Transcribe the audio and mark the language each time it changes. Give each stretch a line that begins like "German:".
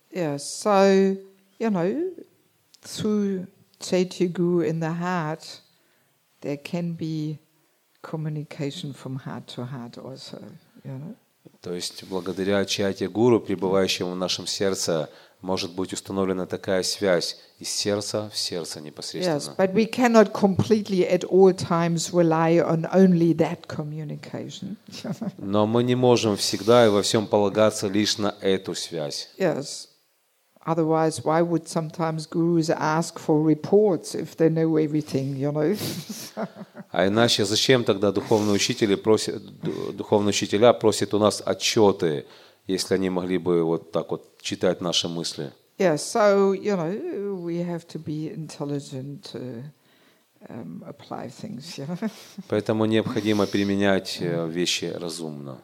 English: Yes, so, you know, through Chaitanya Guru in the heart, there can be communication from heart to heart also.
Russian: То есть благодаря чайте гуру, пребывающему в нашем сердце, может быть установлена такая связь из сердца в сердце непосредственно.
English: Yes, but we cannot completely at all times rely on only that communication.
Russian: Но мы не можем всегда и во всем полагаться лишь на эту связь.
English: Yes, Otherwise, why would sometimes gurus ask for reports if they know everything, you know?
Russian: А иначе зачем тогда духовные учители просят, духовные учителя просят у нас отчеты, если они могли бы вот так вот читать наши мысли?
English: Yeah, so, you know, we have to be intelligent to apply things, yeah?
Russian: Поэтому необходимо применять вещи разумно.